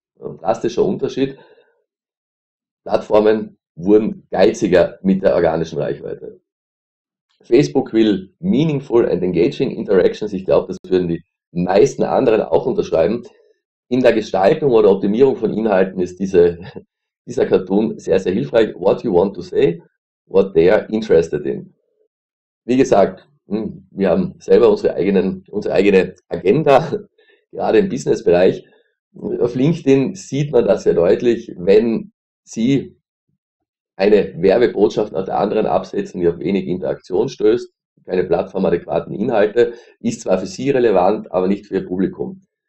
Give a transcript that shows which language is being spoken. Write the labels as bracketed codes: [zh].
[de] Ein drastischer Unterschied. Plattformen wurden geiziger mit der organischen Reichweite. [en] Facebook will meaningful and engaging interactions. [de] Ich glaube, das würden die meisten anderen auch unterschreiben. In der Gestaltung oder Optimierung von Inhalten ist dieser Cartoon sehr, sehr hilfreich. [en] What you want to say, what they are interested in. [de] Wie gesagt, wir haben selber unsere eigene Agenda, gerade im Businessbereich. Auf LinkedIn sieht man das sehr deutlich, wenn Sie eine Werbebotschaft nach der anderen absetzen, die auf wenig Interaktion stößt, keine plattformadäquaten Inhalte, ist zwar für Sie relevant, aber nicht für Ihr Publikum.